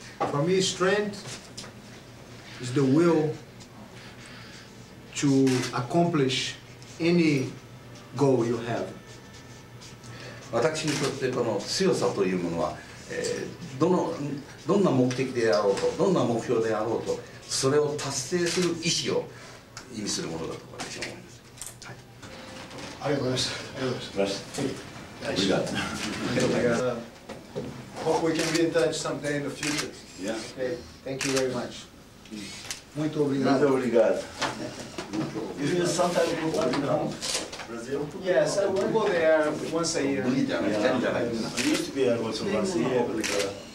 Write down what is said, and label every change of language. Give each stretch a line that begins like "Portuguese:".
English: For me, strength is the will to accomplish any goal you have.
Japanese: 私にとってこの強さというものは、どんな目的であろうと、どんな目標であろうと、それを達成する意思を意味するものだと私は思います。ありがとうございました。ありがとうございました。ありがとうございました。
English: Hope we can be in touch someday in the future. Yeah. Okay. Thank you very much.
Portuguese: Muito obrigado. Muito obrigado.
English: You do sometimes go back to Brazil? Yes, I will go there once a year. I used to be able to go to Brazil.